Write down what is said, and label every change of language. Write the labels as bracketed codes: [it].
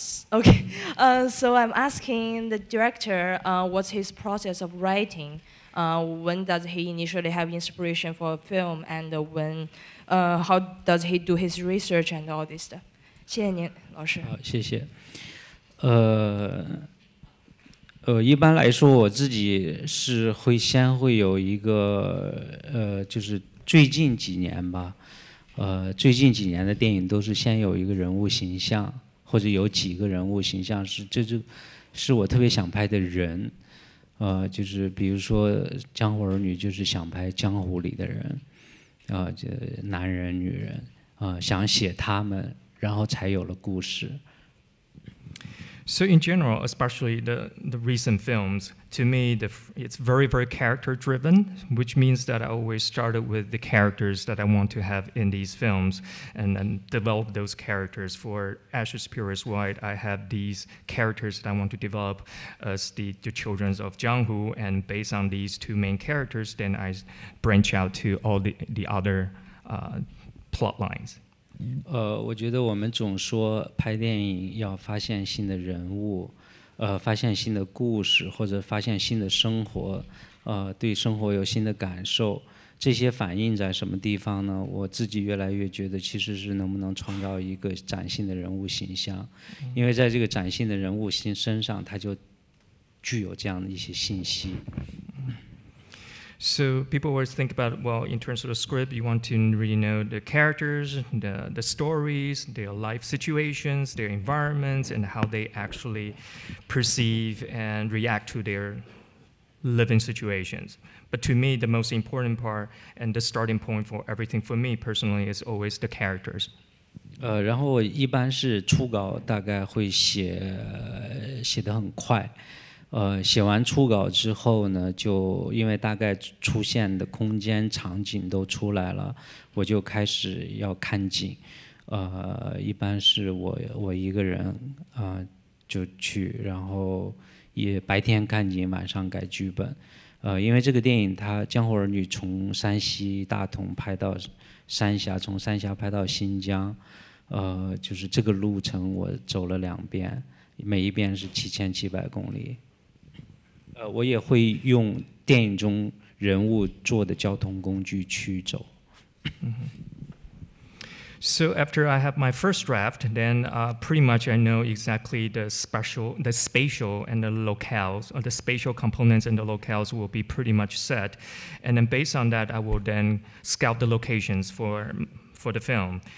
[en] So I'm asking the director, what's his process of writing? When does he initially have inspiration for a film, and when, how does he do his research and all this stuff? [zh] 谢谢您，老师。好，谢谢。一般来说，我自己是会先会有一个就是最近几年吧，最近几年的电影都是先有一个人物形象，或者有几个人物形象是这就是我特别想拍的人。就是比如说《江湖儿女》，就是想拍江湖里的人，就男人、女人，想写他们，然后才有了故事。 [en] So in general, especially the recent films, to me, it's very, very character driven, which means that I always started with the characters that I want to have in these films and then develop those characters. For Ash Is Purest White, I have these characters that I want to develop as the children of Jianghu. And based on these two main characters, then I branch out to all the other plot lines. [zh] 我觉得我们总说拍电影要发现新的人物，发现新的故事，或者发现新的生活，对生活有新的感受。这些反映在什么地方呢？我自己越来越觉得，其实是能不能创造一个崭新的人物形象，因为在这个崭新的人物身上，它就具有这样的一些信息。 [en] So people always think about, well, in terms of the script, you want to really know the characters, the stories, their life situations, their environments, and how they actually perceive and react to their living situations. But to me, the most important part and the starting point for everything for me personally is always the characters. [zh] 然后我一般是初稿大概会写得很快，写完初稿之后呢，就因为大概出现的空间场景都出来了，我就开始要看景，一般是我一个人就去，然后也白天看景，晚上改剧本，因为这个电影它江湖儿女从山西大同拍到三峡，从三峡拍到新疆。就是这个路程我走了两遍，每一遍是7700公里。我也会用电影中人物坐的交通工具去走。 [en] So after I have my first draft, then pretty much I know exactly the spatial and the locales, or the spatial components and the locales will be pretty much set. And then based on that, I will then scout the locations for the film.